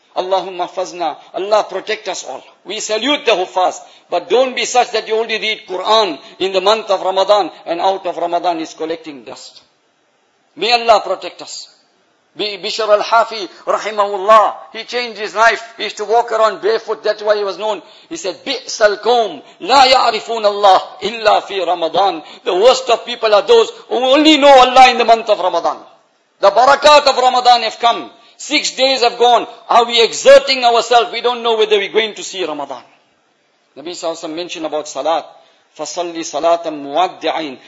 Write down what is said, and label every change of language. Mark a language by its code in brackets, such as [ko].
[ar] Allahumma fazna. [en] Allah protect us all. We salute the huffaz. But don't be such that you only read Quran in the month of Ramadan and out of Ramadan is collecting dust. May Allah protect us. Bishr al-Hafi, rahimahullah, he changed his life. He used to walk around barefoot, that's why he was known. He said, [ar] بئس القوم لا يعرفون الله إلا في رمضان. [en] The worst of people are those who only know Allah in the month of Ramadan. The barakat of Ramadan have come. 6 days have gone. Are we exerting ourselves? We don't know whether we're going to see Ramadan. Nabi SAW mentioned about salat. [ar] فَصَلِّ صَلَاتًا مُوَدِّعِينَ.